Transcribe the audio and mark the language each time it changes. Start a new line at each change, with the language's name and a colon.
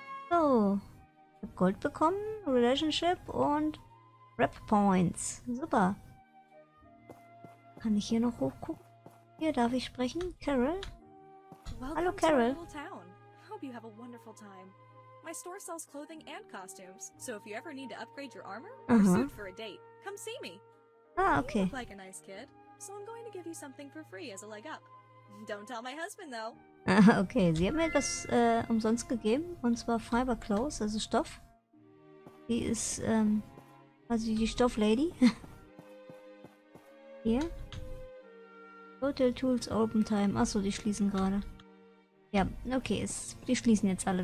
German: So. Ich hab Gold bekommen, Relationship und Rap Points. Super. Kann ich hier noch hochgucken? Hier darf ich sprechen. Carol. Hallo, Carol.
English: Hope you have a wonderful time. My store sells clothing and costumes. So if you ever need to upgrade your armor or suit for a date, come see me.
German: Ah, okay.
English: You look like a nice kid, so I'm going to give you something for free as a leg up. Don't tell my husband, though.
German: Okay, sie hat mir das umsonst gegeben, und zwar Fiber Clothes, also Stoff. Sie ist quasi die Stofflady. Hier. Hotel Tools Open Time. Achso, die schließen gerade. Ja, okay, die schließen jetzt alle.